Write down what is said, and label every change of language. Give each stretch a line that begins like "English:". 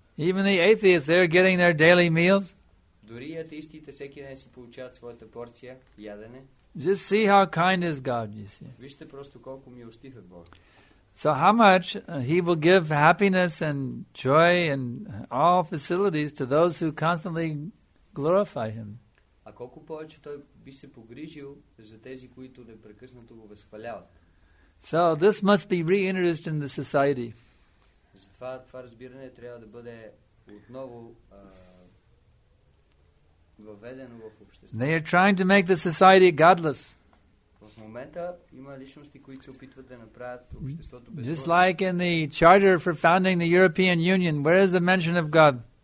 English: Even the atheists, they are getting their daily meals.
Bulgarian: Дори атеистите всеки ден си получават своята порция ядене.
English: Just see how kind is God, you see.
Bulgarian: Вижте просто колко милостив е Бог.
English: So how much he will give happiness and joy and all facilities to those who constantly glorify him.
Bulgarian: А колко повече той би се погрижил за тези, които непрекъснато го възхваляват.
English: So this must be reintroduced in the society.
Bulgarian: Затова това разбиране трябва да бъде отново въведено в обществото.
English: They are trying to make the society godless.
Bulgarian: В момента има личности, които се опитват да направят обществото безбожно.
English: Just like in the charter for founding the European Union, where is the mention of God?